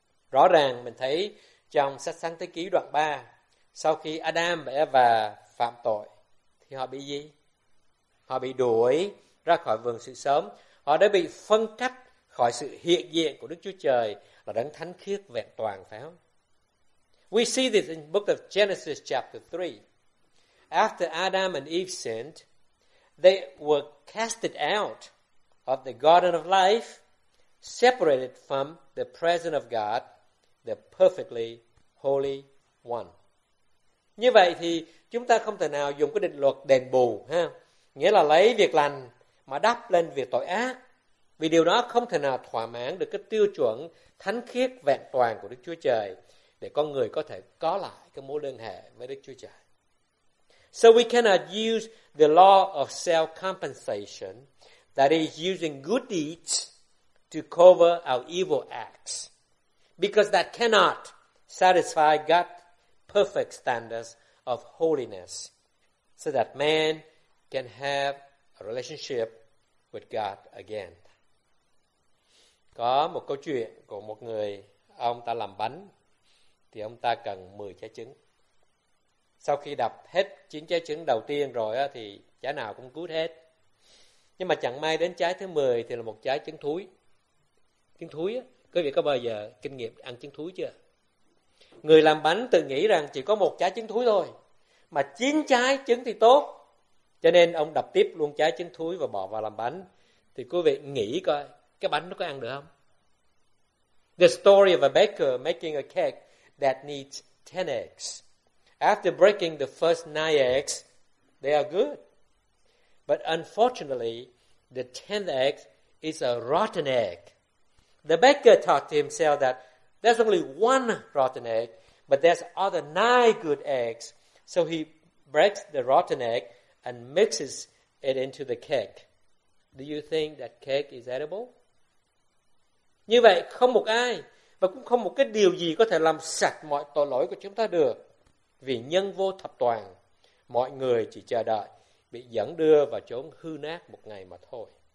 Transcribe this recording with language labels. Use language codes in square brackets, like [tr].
[vi] Rõ ràng mình thấy trong sách Sáng Thế Ký đoạn 3, sau khi Adam và Eva phạm tội thì họ bị gì? Họ bị đuổi ra khỏi vườn sự sống. Họ đã bị phân cách khỏi sự hiện diện của Đức Chúa Trời là đấng thánh khiết vẹn toàn, phải không? [en] We see this in book of Genesis chapter 3. After Adam and Eve sinned, they were casted out of the garden of life, separated from the presence of God, the perfectly holy one. [vi] Như vậy thì chúng ta không thể nào dùng cái định luật đền bù, ha? Nghĩa là lấy việc lành mà đắp lên việc tội ác, vì điều đó không thể nào thỏa mãn được cái tiêu chuẩn thánh khiết vẹn toàn của Đức Chúa Trời để con người có thể có lại cái mối liên hệ với Đức Chúa Trời. [en] So we cannot use the law of self-compensation, that is using good deeds to cover our evil acts, because that cannot satisfy God's perfect standards of holiness, so that man can have a relationship with God again. [vi] Có một câu chuyện của một người, ông ta làm bánh, thì ông ta cần 10 trái trứng. Sau khi đập hết 9 trái trứng đầu tiên rồi á, thì trái nào cũng cút hết. Nhưng mà chẳng may đến trái thứ 10 thì là một trái trứng thúi. Trứng thúi á, quý vị có bao giờ kinh nghiệm ăn trứng thúi chưa? Người làm bánh tự nghĩ rằng chỉ có một trái trứng thúi thôi, mà 9 trái trứng thì tốt. Cho nên ông đập tiếp luôn trái trứng thúi và bỏ vào làm bánh. Thì quý vị nghĩ coi, cái bánh nó có ăn được không? [en] The story of a baker making a cake that needs 10 eggs. After breaking the first 9 eggs, they are good. But unfortunately, the 10th egg is a rotten egg. The baker thought to himself that there's only one rotten egg, but there's other 9 good eggs. So he breaks the rotten egg and mixes it into the cake. Do you think that cake is edible? [vi] Như vậy không một ai và cũng không một cái điều gì có thể làm sạch mọi tội lỗi của chúng ta được. Vì nhân vô thập toàn, mọi người chỉ chờ đợi bị dẫn đưa vào chốn hư nát một ngày mà thôi.